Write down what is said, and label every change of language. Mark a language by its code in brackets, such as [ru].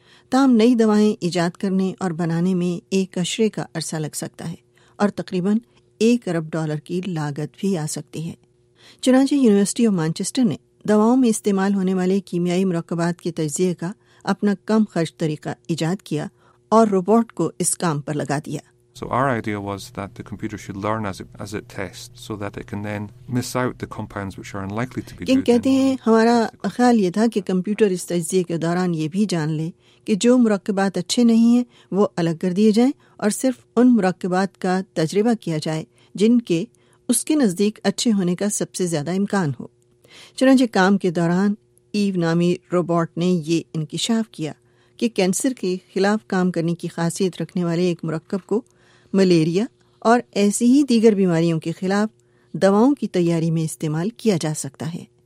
[ur] تاہم نئی دوائیں ایجاد کرنے اور بنانے میں ایک عشرے کا عرصہ لگ سکتا ہے اور تقریباً $1 ارب کی لاگت بھی آ سکتی ہے. چنانچہ یونیورسٹی آف مانچسٹر نے دواؤں میں استعمال ہونے والے کیمیائی مرکبات کے تجزیے کا اپنا کم خرچ طریقہ ایجاد کیا اور روبوٹ کو اس کام پر لگا دیا. [en] So our idea was that the computer should learn as it tests so that it can then miss out the compounds which are unlikely to be good. [ur] کہتے ہیں ہمارا خیال یہ تھا کہ کمپیوٹر اس تجزیے کے دوران یہ بھی جان لے کہ جو مرکبات اچھے نہیں ہیں وہ الگ کر دیے جائیں اور صرف ان مرکبات کا تجربہ کیا جائے جن کے اس کے نزدیک اچھے ہونے کا سب سے زیادہ امکان ہو. چنانچہ کام کے دوران ایو نامی روبوٹ نے یہ انکشاف کیا کہ کینسر کے خلاف کام کرنے کی خاصیت رکھنے والے ایک مرکب کو ملیریا اور ایسی ہی دیگر بیماریوں کے خلاف دواؤں کی تیاری میں استعمال کیا جا سکتا ہے.